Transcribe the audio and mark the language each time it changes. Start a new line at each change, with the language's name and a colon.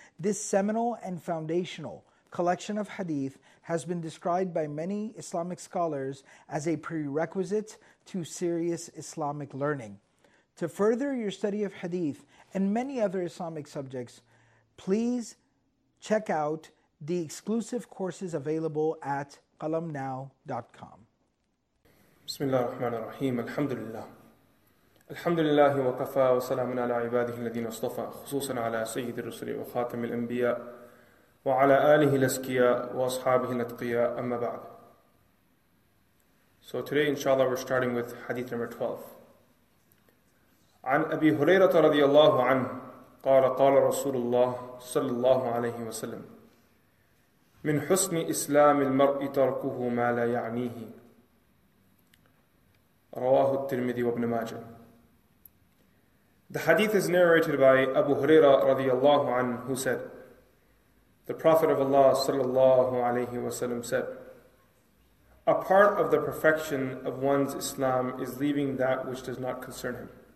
English: This seminal and foundational collection of hadith has been described by many Islamic scholars as a prerequisite to serious Islamic learning. To further your study of hadith and many other Islamic subjects, please check out the exclusive courses available at qalamnow.com.
Arabic: بسم الله الرحمن الرحيم الحمد لله الحمد لله وكفى وسلام على عباده الذين اصطفى خصوصا على سيد الرسل وخاتم الأنبياء وعلى آله الأزكياء وأصحابه الأتقياء أما بعد.
English: So today inshallah we're starting with hadith number 12.
Arabic: عن أبي هريرة رضي الله عنه قال قال رسول الله صلى الله عليه وسلم من حسن إسلام المرء تركه ما لا يعنيه رواه الترمذي وابن ماجه.
English: The hadith is narrated by Abu Huraira radiyallahu anhu, who said, the Prophet of Allah sallallahu alayhi wa sallam said, a part of the perfection of one's Islam is leaving that which does not concern him.